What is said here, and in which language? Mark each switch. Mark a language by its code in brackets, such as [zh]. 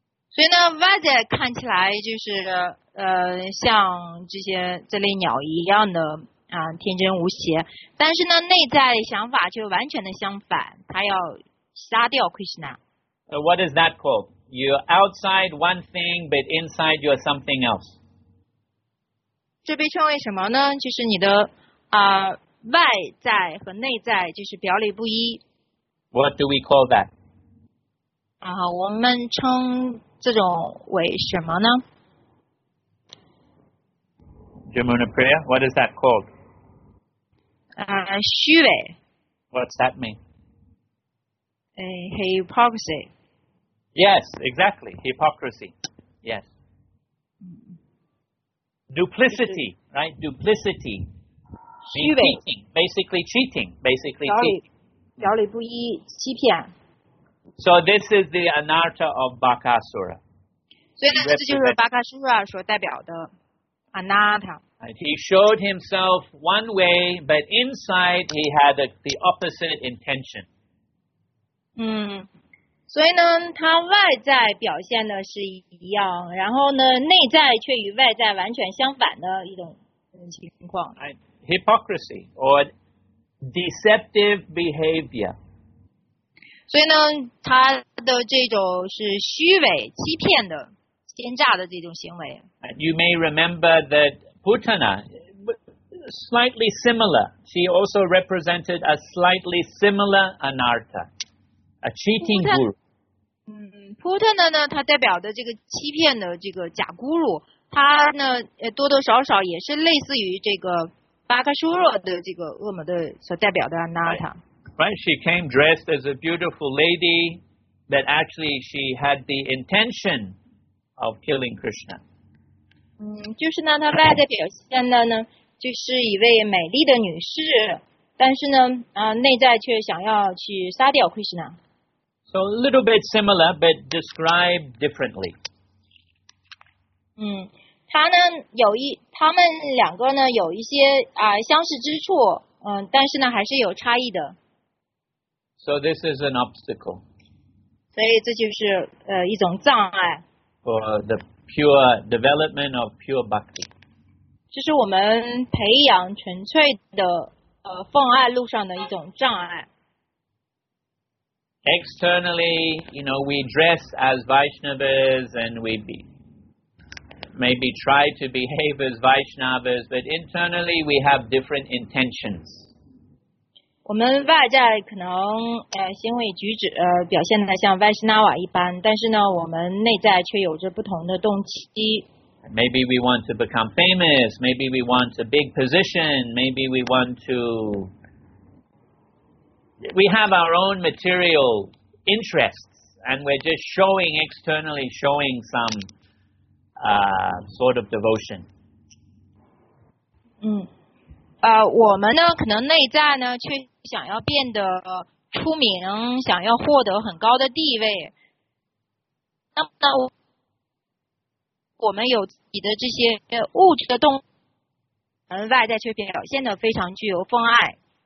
[zh] 所以呢，外在看起来就是。像这类鸟一样的天真无邪，但是呢，内在想法却完全的相反，他要杀掉 Krishna。 [en] So what is that called? You're outside one thing, but inside you're something else. [zh] 这被称为什么呢？就是你的外在和内在就是表里不一。 [en] What do we call that? [zh] 我们称这种为什么呢？ [en] Jamuna Priya, what is that called? [zh] 虚伪。 [en] What's that mean? Hypocrisy. Yes, exactly. Hypocrisy. Yes. Duplicity, right? Duplicity. [zh] 虚伪。 [en] Basically cheating. Basically cheating. [zh] 表里不一，欺骗。 [en] So this is the Anartha of Bakasura. [zh] 所以呢，这就是 Bakasura 所代表的 Anartha。 [en] He showed himself one way, but inside he had the opposite intention. [zh] 所以呢，他外在表现的是一样，然后呢，内在却与外在完全相反的一种情况。 [en] Hypocrisy or deceptive behavior. [zh] 所以呢，他的这种是虚伪、欺骗的、奸诈的这种行为。 [en] You may remember that Putana, slightly similar. She also represented a slightly similar Anartha, a cheating guru. [zh] Putana 呢，它代表的这个欺骗的这个假咕噜，它呢多多少少也是类似于这个巴卡苏拉的这个恶魔的所代表的 Anartha. [en] Right, she came dressed as a beautiful lady, but actually she had the intention of killing Krishna. [zh] 就是呢，她外在表现的呢，就是一位美丽的女士，但是呢，内在却想要去杀掉 Krishna。 [en] So a little bit similar, but described differently. [zh] 她呢，他们两个呢，有一些相似之处，但是呢，还是有差异的。 [en] So this is an obstacle. [zh] 所以这就是一种障碍。 [en] for the pure development of pure bhakti. [zh] 就是我们培养纯粹的奉爱路上的一种障碍。 [en] Externally, you know, we dress as Vaishnavas and we be, maybe try to behave as Vaishnavas, but internally we have different intentions. [zh] 我们外在可能行为举止表现得像 Vaishnava 一般，但是呢，我们内在却有着不同的动机。 [en] Maybe we want to become famous. Maybe we want a big position. Maybe we want to... We have our own material interests. And we're just showing externally, showing some sort of devotion. [zh] 我们呢，可能内在呢，却想要变得出名，想要获得很高的地位。那我们有自己的这些物质的动物，外在却表现得非常具有风爱。